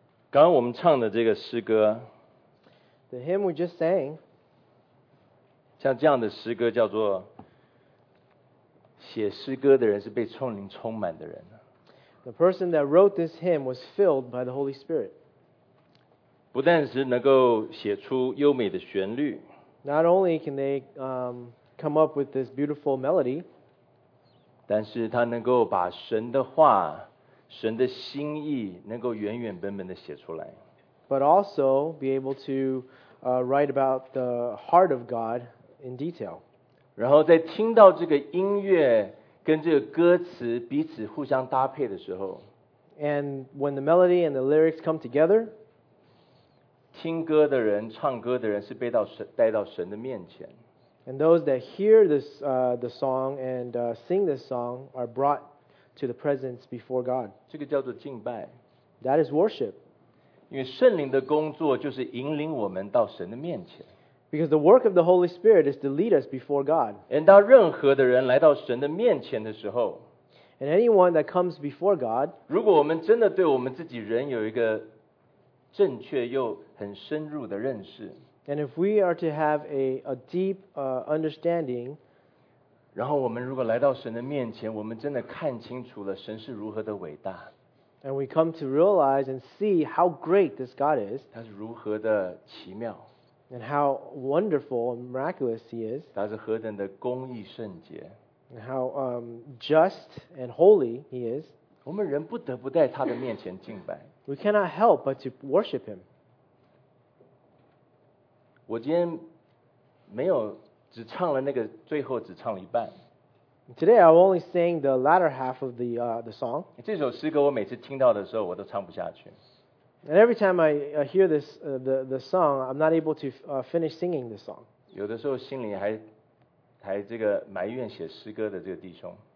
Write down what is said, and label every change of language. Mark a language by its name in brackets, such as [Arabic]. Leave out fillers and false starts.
[Chinese] 刚刚我们唱的这个诗歌 [English] The hymn we just sang. [Chinese] 像这样的诗歌叫做写诗歌的人是被圣灵充满的人。 [English] The person that wrote this hymn was filled by the Holy Spirit. [Chinese] 不但是能够写出优美的旋律 [English] Not only can they come up with this beautiful melody. [Chinese] 但是他能够把神的话神的心意能够原原本本的写出来 [English] But also be able to write about the heart of God in detail. [Chinese] 然后在听到这个音乐跟这个歌词彼此互相搭配的时候 [English] And when the melody and the lyrics come together, [Chinese] 听歌的人唱歌的人是被到神带到神的面前 [English] And those that hear this, the song and sing this song are brought to the presence before God. [Chinese] 这个叫做敬拜。 [English] That is worship. [Chinese] 因为圣灵的工作就是引领我们到神的面前。 [English] Because the work of the Holy Spirit is to lead us before God. [Chinese] 当任何的人来到神的面前的时候 [English] And anyone that comes before God, [Chinese] 如果我们真的对我们自己人有一个正确又很深入的认识 [English] And if we are to have a deep understanding, [Chinese] 然后我们如果来到神的面前，我们真的看清楚了神是如何的伟大。 [English] And we come to realize and see how great this God is. [Chinese] 他是如何的奇妙。 [English] And how wonderful and miraculous He is. [Chinese] 他是何等的公义圣洁。 [English] And how just and holy He is. [Chinese] 我们人不得不在他的面前敬拜。 [English] We cannot help but to worship Him. [Chinese] 我今天没有只唱了那个最后只唱了一半。 [English] Today I only sang the latter half of the song. [Chinese] 这首诗歌我每次听到的时候我都唱不下去。 [English] And every time I hear this the song, I'm not able to finish singing the song. [Chinese] 有的时候心里还这个埋怨写诗歌的这个弟兄。